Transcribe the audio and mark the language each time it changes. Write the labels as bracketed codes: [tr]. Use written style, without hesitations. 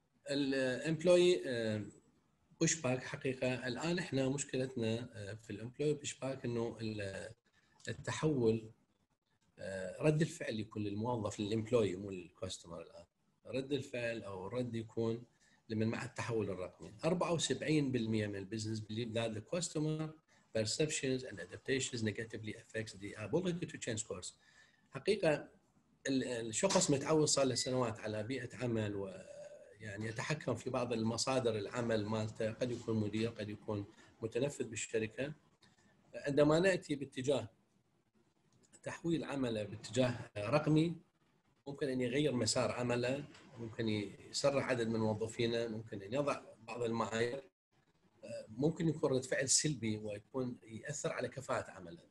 [ar] الإمبلوي بوش باك حقيقة الآن إحنا مشكلتنا في الإمبلوي بوش باك إنه التحول رد الفعل يكون للموظف الامبلوي مو الكاستمر. الان رد الفعل او الرد يكون لمن مع التحول الرقمي. 74% من البزنس [en] believe that [ar] الكاستمر [en] perceptions and adaptations negatively affects the ability to change course. [ar] حقيقة الشخص متعود صار له سنوات على بيئة عمل ويعني يتحكم في بعض المصادر العمل مالته، قد يكون مدير قد يكون متنفذ بالشركة. عندما نأتي باتجاه تحويل عمله باتجاه رقمي ممكن أن يغير مسار عمله، ممكن يسرع عدد من موظفينه، ممكن أن يضع بعض المعايير، ممكن يكون رد فعل سلبي ويكون يأثر على كفاءة عمله.